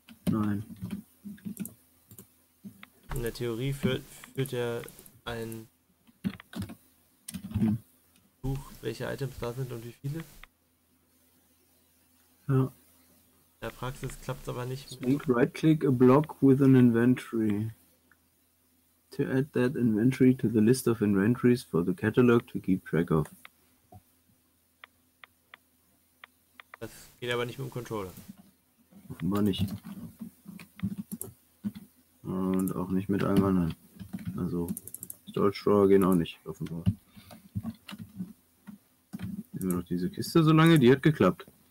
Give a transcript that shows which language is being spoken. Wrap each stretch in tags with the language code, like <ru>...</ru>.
<de>Nein. In der Theorie führt er ein Buch, welche Items da sind und wie viele. Ja. In der Praxis klappt es aber nicht.</de> <en>Right-click a block with an inventory. To add that inventory to the list of inventories for the catalog to keep track of.</en> <de>Das geht aber nicht mit dem Controller. Offenbar nicht. Und auch nicht mit allem anderen. Also, Storage Drawer gehen auch nicht, offenbar. Nehmen wir noch diese Kiste so lange, die hat geklappt.</de>